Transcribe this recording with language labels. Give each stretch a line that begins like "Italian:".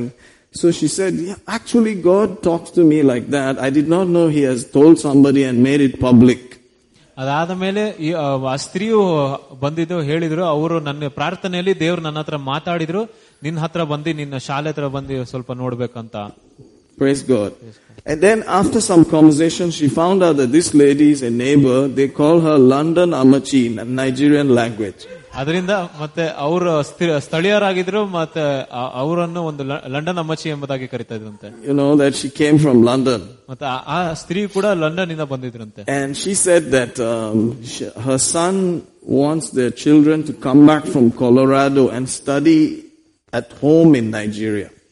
English: And so she said, yeah, actually, God talks to me like that. I did not know he has told somebody and made it public.
Kannada: ಅದಾದ ಮೇಲೆ ಆ ಸ್ತ್ರೀಯು ಬಂದಿದ್ದು ಹೇಳಿದ್ರು ಅವರು ನನ್ನ ಪ್ರಾರ್ಥನೆಯಲ್ಲಿ ದೇವರು ನನ್ನ ಹತ್ರ ಮಾತಾಡಿದ್ರು ನಿನ್ನ ಹತ್ರ ಬಂದು ನಿನ್ನ ಶಾಲೆ ಹತ್ರ ಬಂದು ಸ್ವಲ್ಪ ನೋಡ್ಬೇಕಂತ
English: Praise God. And then after some conversation, she found out that this lady is a neighbor. They call her London Amachi in Nigerian language.
Kannada: ಅದರಿಂದ ಮತ್ತೆ ಅವರು ಸ್ಥಳೀಯರಾಗಿದ್ರು ಮತ್ತೆ ಅವರನ್ನು ಒಂದು ಲಂಡನ್ ಅಮ್ಮಚಿ ಎಂಬುದಾಗಿ ಕರೀತಾ ಇದ್ರಂತೆ
English: you know that she came from London
Kannada: ಮತ್ತೆ ಆ ಸ್ತ್ರೀ ಕೂಡ ಲಂಡನ್ ಇಂದ ಬಂದಿದ್ರಂತೆ
English: and she said that her son wants their children to come back from Colorado and study at home in Nigeria